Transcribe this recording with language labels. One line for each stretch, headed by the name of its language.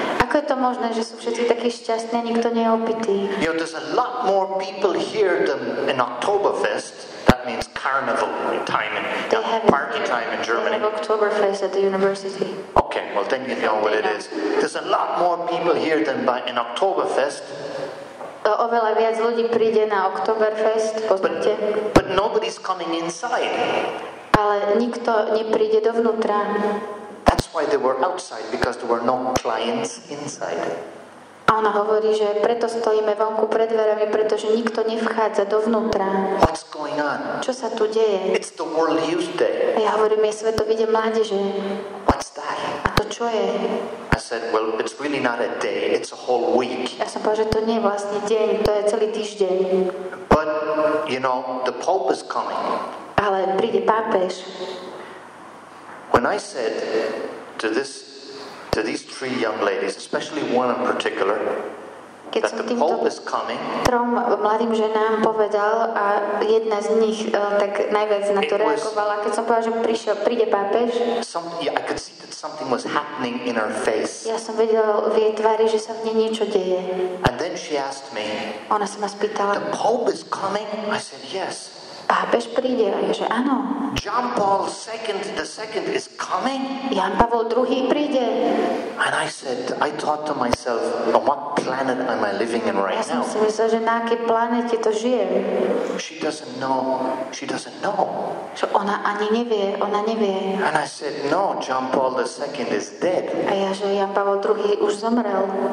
Slovak: Ako je to možné, že sú všetci takí šťastní, nikto nie je opitý?
English: You know, there's a lot more people here than in Oktoberfest. Means carnival time and party time in Germany. Oktoberfest at the university. Okay, well then you know what it is. There's a lot more people here than by in Oktoberfest.
Slovak: Oveľa viac ľudí príde na Oktoberfest, pozrite.
English: But nobody's coming inside.
Slovak: Ale nikto nepríde dovnútra.
English: That's why they were outside, because there were no clients inside.
Slovak: A ona hovorí, že preto stojíme vonku pred dverami, pretože nikto nevchádza dovnútra.
English: What's going on?
Slovak: Čo sa tu deje?
English: It's the World Youth Day.
Slovak: A ja hovorím, je svetový deň mládeže.
English: What's that?
Slovak: A to čo je?
English: I said, well, it's really not a day, it's a whole week.
Slovak: Ja som povedal, že to nie je vlastne deň, to je celý týždeň.
English: But, you know, the Pope is coming.
Slovak: Ale príde pápež.
English: When I said to this to these three young ladies, especially one in particular,
Slovak: keď
English: that the Pope is coming,
Slovak: trom mladým ženám povedal a jedna z nich tak najviac na to reagovala, keď som povedal, že príde pápež.
English: I could see that something was happening in her face.
Slovak: Ja som videl v jej tvári, že sa v nej niečo deje.
English: And then she asked me,
Slovak: ona sa ma spýtala,
English: the Pope is coming? I said, yes.
Slovak: Pápež príde, že áno.
English: John Paul II, the second is coming.
Slovak: Jan Pavol II príde.
English: And I said, I thought to myself, on what planet am I living in right now?
Slovak: Ja som si myslel, že na akej planete to žijem.
English: She doesn't know. She doesn't know.
Slovak: Že ona ani nevie, ona nevie.
English: And I said, no, John Paul II is dead.
Slovak: A ja, že Jan Pavol II už zomrel.